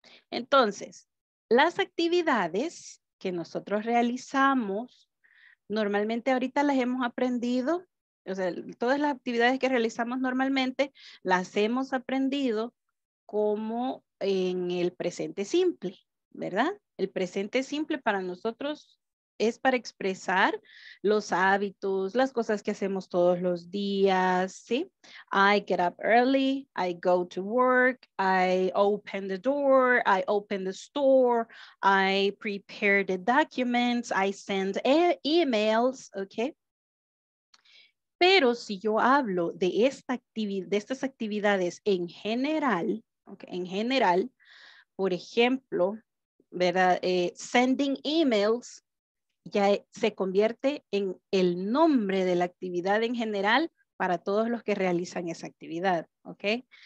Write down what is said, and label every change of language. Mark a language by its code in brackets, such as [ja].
[es] Entonces, las actividades que nosotros realizamos normalmente ahorita las hemos aprendido, o sea, todas las actividades que realizamos normalmente las hemos aprendido como en el presente simple, ¿verdad? El presente simple para nosotros es para expresar los hábitos, las cosas que hacemos todos los días, ¿sí? [en] I get up early, I go to work, I open the door, I open the store, I prepare the documents, I send emails, ¿ok? [es] Pero si yo hablo de esta estas actividades en general, okay, en general, por ejemplo, ¿verdad? Sending emails, ya se convierte en el nombre de la actividad en general para todos los que realizan esa actividad, ¿ok?